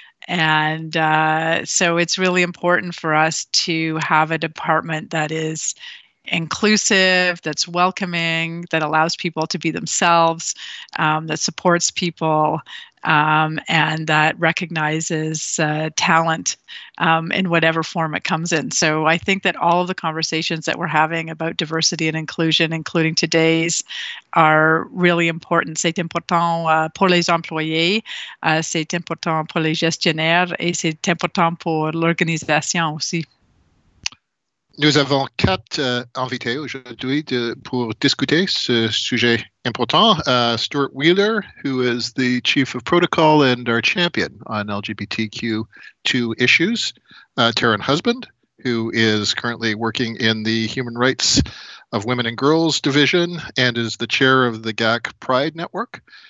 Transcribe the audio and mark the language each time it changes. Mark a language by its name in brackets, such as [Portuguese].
[English] And so it's really important for us to have a department that is inclusive, that's welcoming, that allows people to be themselves, that supports people, and that recognizes talent in whatever form it comes in. So I think that all of the conversations that we're having about diversity and inclusion, including today's, are really important. [French] C'est important pour les employés, c'est important pour les gestionnaires, et c'est important pour l'organisation aussi. Nous avons quatre invités aujourd'hui pour discuter ce sujet important. [English] Stuart Wheeler, who is the Chief of Protocol and our champion on LGBTQ2 issues. Taryn Husband, who is currently working in the Human Rights of Women and Girls Division and is the Chair of the GAC Pride Network.